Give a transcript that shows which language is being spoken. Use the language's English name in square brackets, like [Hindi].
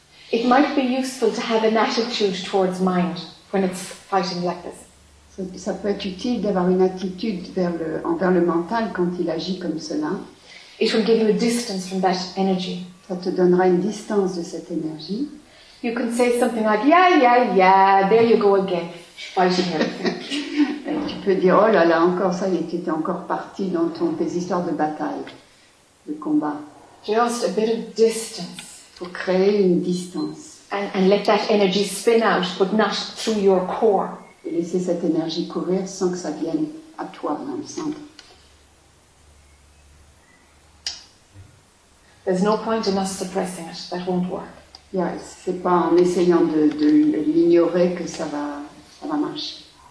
[English] It might be useful to have an attitude towards mind when it's fighting like this. [French] Ça peut être utile d'avoir une attitude envers le mental quand il agit comme cela. [English] It will give you a distance from that energy. [French] Ça te donnera une distance de cette énergie. [English] You can say something like, yeah, yeah, yeah, there you go again, fighting everything. [French] Tu peux dire, oh là là, encore ça, tu étais encore parti dans tes histoires de bataille, de combat. [English] Just a bit of distance. [French] Pour créer une distance. [English] And let that energy spin out, but not through your core. [French] Et laisser cette énergie courir sans que ça vienne à toi, dans le centre. [English] There's no point in us suppressing it. That won't work. [French] Yeah, c'est pas en essayant de l'ignorer que ça va marcher.